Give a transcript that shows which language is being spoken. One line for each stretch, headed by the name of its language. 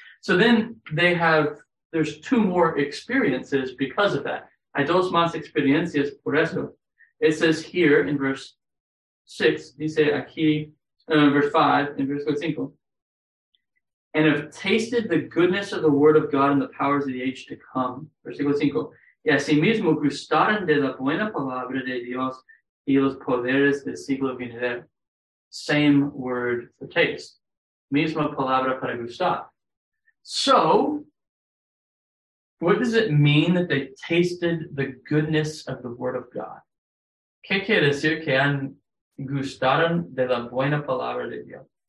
English: So then there's two more experiences because of that.
Spanish: Hay dos más experiencias por eso.
English: It says here in verse 6,
Spanish: dice aquí,
English: verse 5, in verse 5, and have tasted the goodness of the word of God and the powers of the age to come.
Spanish: Versículo 5. Y asimismo gustaron de la buena palabra de Dios y los poderes del siglo venidero.
English: Same word for taste.
Spanish: Misma palabra para gustar.
English: So, what does it mean that they tasted the goodness of the word of God?
Spanish: ¿Qué quiere decir que han gustaron de la buena palabra de Dios?